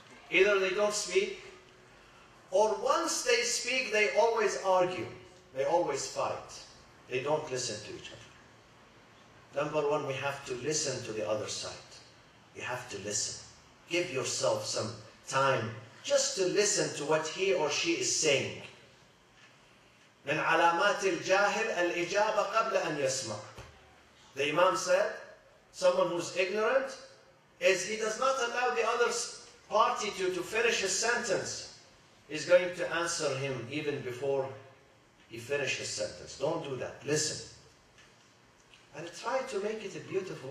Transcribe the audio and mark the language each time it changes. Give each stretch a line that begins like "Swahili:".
English: Either they don't speak, or once they speak, they always argue. They always fight. They don't listen to each other. Number one, we have to listen to the other side. You have to listen. Give yourself some time just to listen to what he or she is saying.
Arabic: من علامات الجاهل الإجابة قبل أن يسمع.
English: The Imam said, someone who's ignorant, is he does not allow the other party to finish his sentence. He's going to answer him even before he finishes his sentence. Don't do that. Listen. And try to make it beautiful.